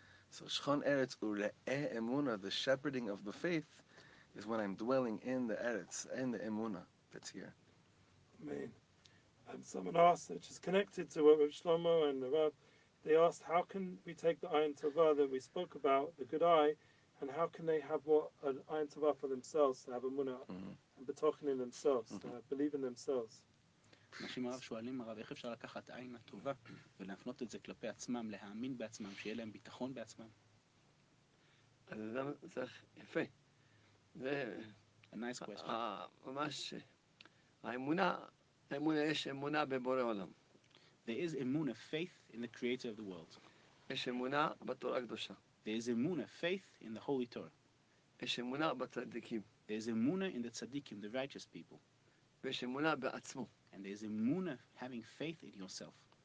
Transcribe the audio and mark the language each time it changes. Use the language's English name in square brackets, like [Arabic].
[English] So Shchon Eretz Ure'eh Emuna, the shepherding of the faith, is when I'm dwelling in the Eretz, in the Emuna that's here. Amen. Someone asked, which is connected to what Rabbi Shlomo and the Rav, they asked, how can we take the Ayin Tova that we spoke about, the good eye, and how can they have what an Ayin Tova for themselves, to have Emuna, mm-hmm. and betochen in themselves, mm-hmm. Believe in themselves? [Hebrew] אנשים הרב שואלים הרב, איך אפשר לקחת עין הטובה ולהפנות את זה כלפי עצמם, להאמין בעצמם, שיהיה להם ביטחון בעצמם? אז זה צריך יפה. [English] A nice question. [Hebrew] ממש, האמונה, יש אמונה בבורא עולם. [English] There is emuna, faith in the creator of the world. [Hebrew] יש אמונה בתורה הקדושה. [English] There is emuna, faith in the holy Torah. [Hebrew] יש אמונה בצדיקים. [English] There is emuna in the tzaddikim, the righteous people. [Hebrew] ויש אמונה בעצמו. [English] And there's emuna, having faith in yourself.